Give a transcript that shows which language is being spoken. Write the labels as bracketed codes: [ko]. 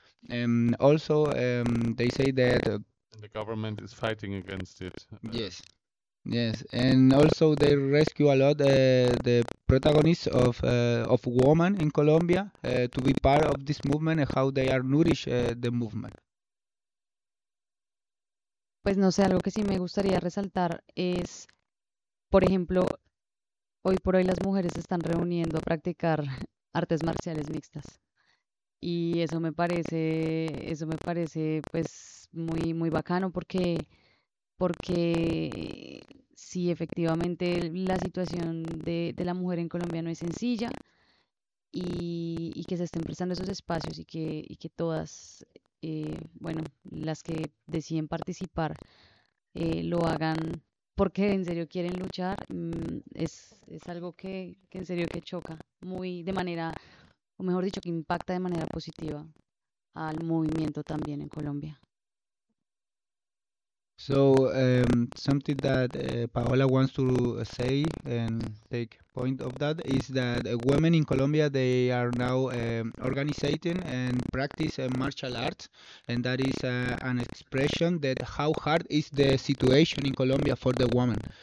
[en] And also they say that the government is fighting against it. Yes. Yes, and also they rescue a lot the protagonists of women in Colombia to be part of this movement and how they are nourish the movement. [es] Pues no sé, algo que sí me gustaría resaltar es, por ejemplo, hoy por hoy las mujeres se están reuniendo a practicar artes marciales mixtas. Y eso me parece pues muy muy bacano porque sí, efectivamente la situación de la mujer en Colombia no es sencilla y que se estén prestando esos espacios y que todas, bueno, las que deciden participar lo hagan porque en serio quieren luchar, es algo que en serio que choca muy de manera, o mejor dicho, que impacta de manera positiva al movimiento también en Colombia. [en] So something that Paola wants to say and take point of that is that women in Colombia, they are now organizing and practice martial arts, and that is an expression that how hard is the situation in Colombia for the woman.